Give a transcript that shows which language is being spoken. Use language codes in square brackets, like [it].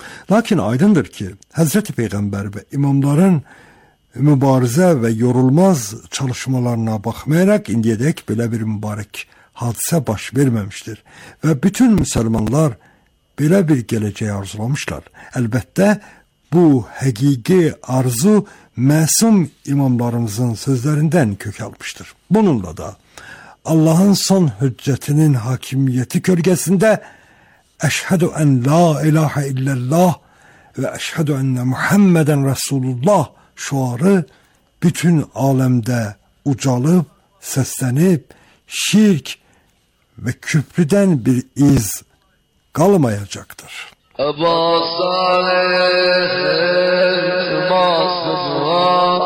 [az] Lakin aydındır ki, Həzrəti Peyğəmbər və imamların mübarizə və yorulmaz çalışmalarına baxmayaraq indiyədək belə bir mübarək hadisə baş verməmişdir və bütün müsəlmanlar belə bir gələcəyi arzulamışlar. Əlbəttə, bu həqiqi arzu məsum imamlarımızın sözlərindən kök almışdır. Bununla da [tr] Allah'ın son hüccetinin hakimiyeti gölgesinde eşhedü en la ilahe illallah ve eşhedü enne Muhammeden Resulullah şuarı bütün alemde ucalıp seslenip şirk ve küfrüden bir iz kalmayacaktır. Ebu Salih'in masumuna